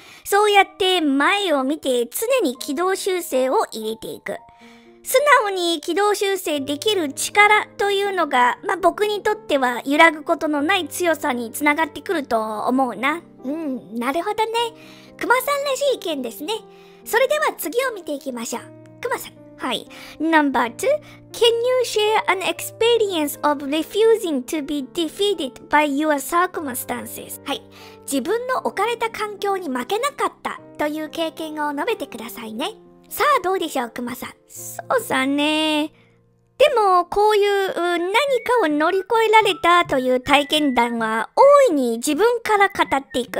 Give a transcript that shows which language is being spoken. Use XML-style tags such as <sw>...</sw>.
<ja>そうやって前を見て常に軌道修正を入れていく。素直に軌道修正できる力というのが、まあ、僕にとっては揺らぐことのない強さにつながってくると思うな。なるほどね。熊さんらしい意見ですね。それでは次を見ていきましょう。熊さん。はい。</ja> <en>No.2 Can you share an experience of refusing to be defeated by your circumstances?</en> <ja>はい。自分の置かれた環境に負けなかったという経験を述べてくださいね。さあどうでしょう、クマさん。そうさね。でも、こういう何かを乗り越えられたという体験談は大いに自分から語っていく。</ja>